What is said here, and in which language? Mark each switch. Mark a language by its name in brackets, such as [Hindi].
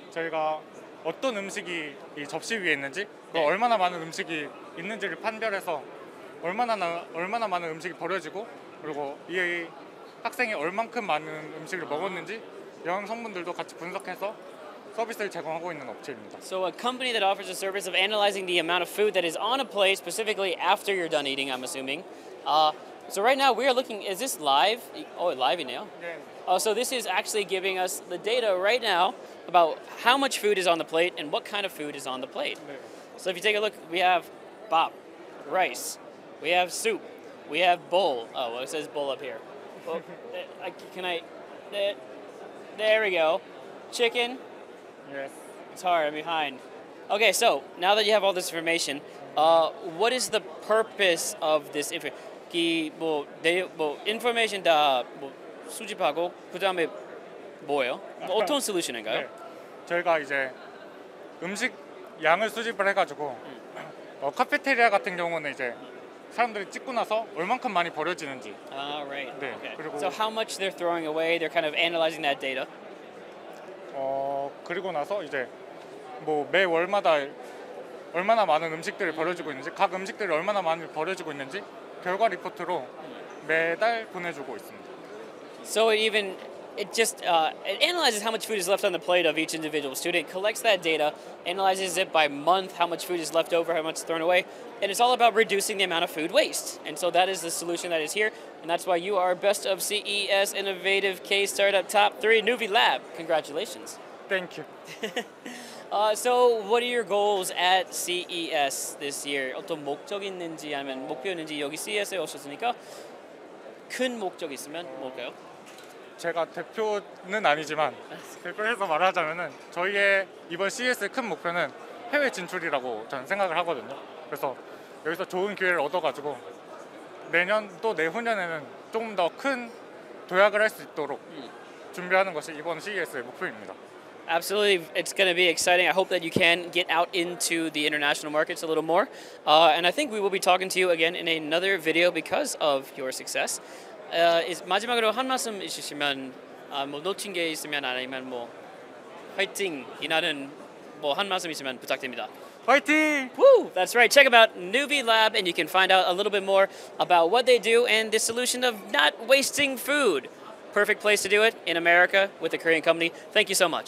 [Korean] 저희가 어떤 음식이 이 접시 위에 있는지, 네. 얼마나 많은 음식이 있는지를 판별해서 얼마나 많은 음식이 버려지고 그리고 이 학생이 얼만큼 많은 음식을 먹었는지 영양 성분들도 같이 분석해서 서비스를 제공하고 있는 업체입니다. [English] So a company that offers a service of analyzing the amount of food that is on a plate specifically after you're done eating, I'm assuming. So right now we are looking, is this live? Oh, live now? Yeah. So this is actually giving us the data right now about how much food is on the plate and what kind of food is on the plate. Yeah. So if you take a look, we have bap, rice, we have soup, we have bowl. Oh, well, it says bowl up here. Well, can I, there we go. Chicken. Yes. It's hard, I'm behind. Okay, so now that you have all this information, what is the purpose of this information? [Korean] 이 뭐 데 뭐 인포메이션 다 뭐 수집하고 그다음에 뭐예요? 뭐 어떤 솔루션인가요? 네. 저희가 이제 음식 양을 수집을 해 가지고 카페테리아 같은 경우는 이제 사람들이 찍고 나서 얼만큼 많이 버려지는지. [English] Ah, right. [Korean] 네. [English] Okay. [Korean] 그리고 [English] So how much they're throwing away? They're kind of analyzing that data. [Korean] 그리고 나서 이제 뭐 매월마다 얼마나 많은 음식들이 버려지고 있는지 각 음식들이 얼마나 많이 버려지고 있는지 결과 리포트로 매달 보내주고 있습니다. [English] So even it just it analyzes how much food is left on the plate of each individual student, collects that data, analyzes it by month, how much food is left over, how much is thrown away, and it's all about reducing the amount of food waste. And so that is the solution that is here, and that's why you are best of CES Innovative K Startup Top 3 Nuvilab. Congratulations. Thank you. So, what are your goals at CES this year? [Korean] 어떤 목적 있는지 아니면 목표 있는지 여기 CES에 오셨으니까 큰 목적 있으면 뭘까요? 제가 대표는 아니지만 대표해서 말하자면은 저희의 이번 CES의 큰 목표는 해외 진출이라고 저는 생각을 하거든요. 그래서 여기서 좋은 기회를 얻어가지고 내년 또 내후년에는 조금 더 큰 도약을 할 수 있도록 준비하는 것이 이번 CES의 목표입니다. [English] Absolutely, it's going to be exciting. I hope that you can get out into the international markets a little more. And I think we will be talking to you again in another video because of your success. [Korean] 마지막으로 한 말씀 있으시면 뭐 놓친 게 있으면 아니면 뭐 화이팅 이나는 뭐 한 말씀 있으면 부탁드립니다. 화이팅! [English] Woo! That's right. Check out Nuvilab and you can find out a little bit more about what they do and the solution of not wasting food. Perfect place to do it in America with a Korean company. Thank you so much.